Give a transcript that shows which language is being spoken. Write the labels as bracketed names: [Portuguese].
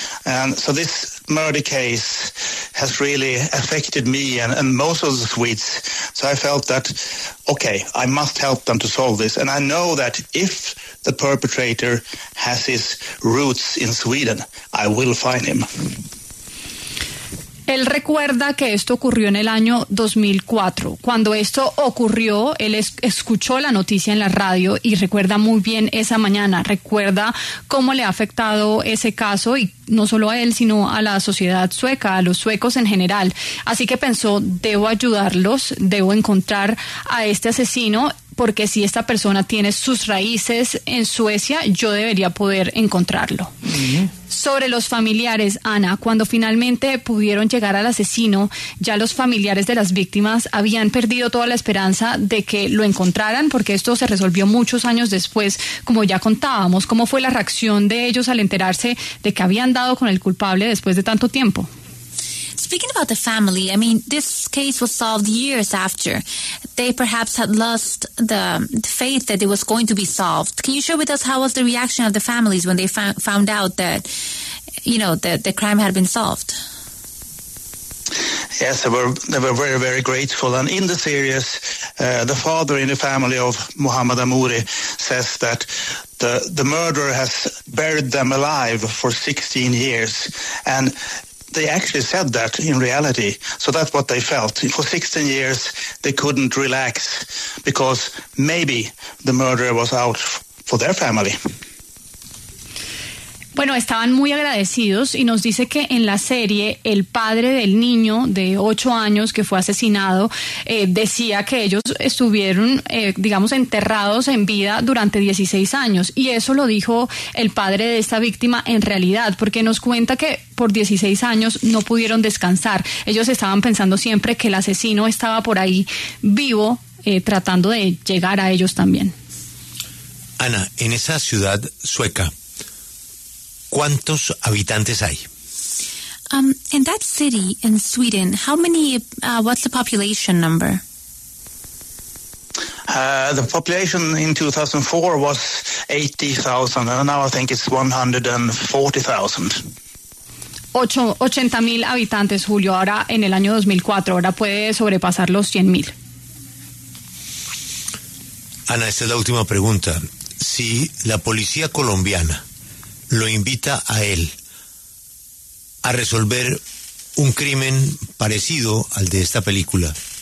[English] And so this murder case has really affected me and most of the Swedes. So I felt that, okay, I must help them to solve this. And I know that if the perpetrator has his roots in Sweden, I will find him. [Spanish] Él recuerda que esto ocurrió en el año 2004. Cuando esto ocurrió, él escuchó la noticia en la radio y recuerda muy bien esa mañana. Recuerda cómo le ha afectado ese caso, y no solo a él, sino a la sociedad sueca, a los suecos en general. Así que pensó, debo ayudarlos, debo encontrar a este asesino, porque si esta persona tiene sus raíces en Suecia, yo debería poder encontrarlo. Mm-hmm. Sobre los familiares, Ana, cuando finalmente pudieron llegar al asesino, ya los familiares de las víctimas habían perdido toda la esperanza de que lo encontraran, porque esto se resolvió muchos años después, como ya contábamos. ¿Cómo fue la reacción de ellos al enterarse de que habían dado con el culpable después de tanto tiempo? [English] Speaking about the family, I mean, this case was solved years after. They perhaps had lost the faith that it was going to be solved. Can you share with us how was the reaction of the families when they found out that, you know, that the crime had been solved? Yes, they were very, very grateful. And in the series, the father in the family of Muhammad Amouri says that the murderer has buried them alive for 16 years. And they actually said that in reality. So that's what they felt. For 16 years, they couldn't relax because maybe the murderer was out for their family. [Spanish] Bueno, estaban muy agradecidos, y nos dice que en la serie el padre del niño de 8 años que fue asesinado decía que ellos estuvieron, digamos, enterrados en vida durante 16 años. Y eso lo dijo el padre de esta víctima en realidad, porque nos cuenta que por 16 años no pudieron descansar. Ellos estaban pensando siempre que el asesino estaba por ahí vivo, tratando de llegar a ellos también. Ana, en esa ciudad sueca, ¿cuántos habitantes hay? [English] In that city in Sweden, how many? What's the population number? The population in 2004 was 80,000, and now I think it's 140,000. [Spanish] 80,000 habitantes, Julio. Ahora en el año 2004, ahora puede sobrepasar los 100,000. Ana, esta es la última pregunta. Si la policía colombiana lo invita a él a resolver un crimen parecido al de esta película.